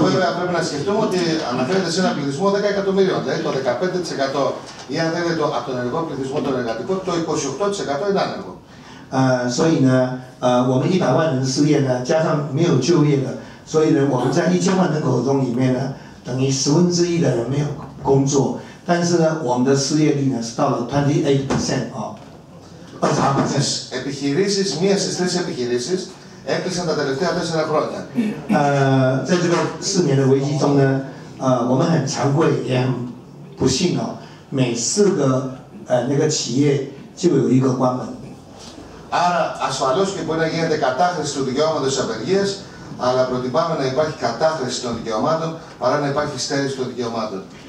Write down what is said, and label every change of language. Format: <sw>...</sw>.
<el>βέβαια πρέπει να σκεφτούμε ότι αναφέρεται σε ένα πληθυσμό 10 εκατομμυρίων, δηλαδή το 15% ή αν θέλετε το, από τον ενεργό πληθυσμό τον εργατικό, το 28% είναι άνεργο. Σω είναι, ο</el> <zh>100万人失业呢加上没有就业的所以呢我们在1000万人口中里面呢 等于10%的人没有工作，但是呢，我们的失业率呢是到了28%啊。28%.</zh> <el>Επιχειρήσεις, μία στις τρεις επιχειρήσεις έκλεισαν τα τελευταία 4 χρόνια.</el> <zh>在这个四年的危机中呢，我们很惭愧也很不幸哦，每四个那个企业就有一个关门。</zh> <el>Άρα ασφαλώς και μπορεί να γίνεται κατάχρηση του δικαιώματος απεργίας. Αλλά προτιμάμε να υπάρχει κατάχρηση των δικαιωμάτων παρά να υπάρχει στέρηση των δικαιωμάτων.</el>